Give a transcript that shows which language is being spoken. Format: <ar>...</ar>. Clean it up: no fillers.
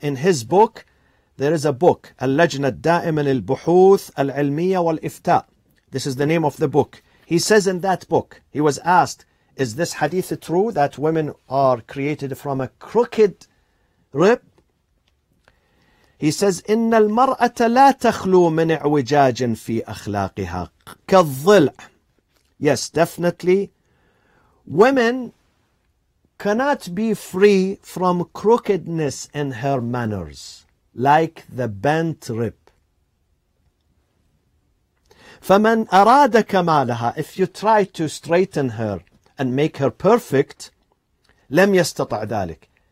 <en>In his book, there is a book, Al-Lajna Da'iman al-Buhuth al-Ilmiya wal-Ifta. This is the name of the book. He says in that book, he was asked, is this hadith true that women are created from a crooked rib?</en> <ar>He says, إن المرأة لا تخلو من اعوجاج في أخلاقها كالضلع.</ar> <en>Yes, definitely. Women cannot be free from crookedness in her manners, like the bent rib.</en> <ar>فمن أراد كمالها,</ar> <en>if you try to straighten her and make her perfect,</en> <ar>لم يستطع ذلك.</ar>